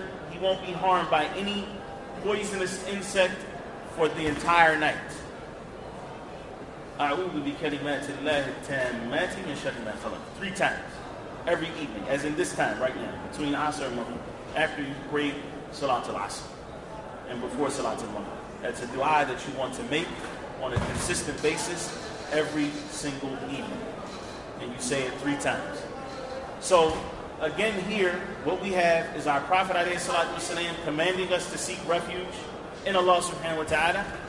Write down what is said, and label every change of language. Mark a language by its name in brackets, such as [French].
[English] He won't be harmed by any poisonous insect for the entire night. [Arabic] أعوذ بكلمات الله التامات من شر ما خلق. [English] Three times. Every evening. As in this time right now. Between Asr and Maghrib. After you pray Salatul Asr. And before Salatul Maghrib. That's a dua that you want to make on a consistent basis every single evening. And you say it three times. So again here, what we have is our Prophet ﷺ commanding us to seek refuge in Allah subhanahu wa ta'ala.